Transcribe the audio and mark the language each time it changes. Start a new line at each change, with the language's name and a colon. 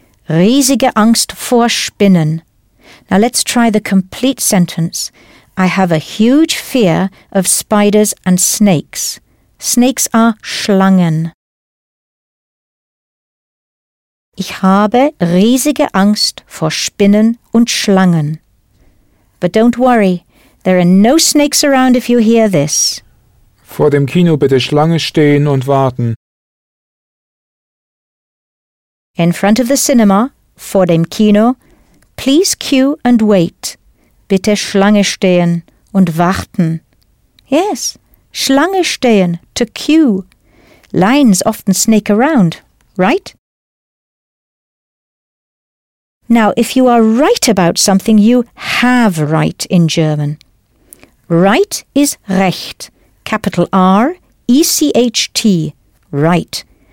German: Riesige Angst vor Spinnen.
English: Now let's try the complete sentence. I have a huge fear of spiders and snakes. Snakes are Schlangen.
German: Ich habe riesige Angst vor Spinnen und Schlangen.
English: But don't worry, there are no snakes around if you hear this.
German: Vor dem Kino bitte Schlange stehen und warten.
English: In front of the cinema,
German: vor dem Kino,
English: please queue and wait.
German: Bitte Schlange stehen und warten.
English: Yes,
German: Schlange stehen,
English: to queue. Lines often snake around, right? Now, if you are right about something, you have right in German. Right is recht. Capital R-E-C-H-T, right.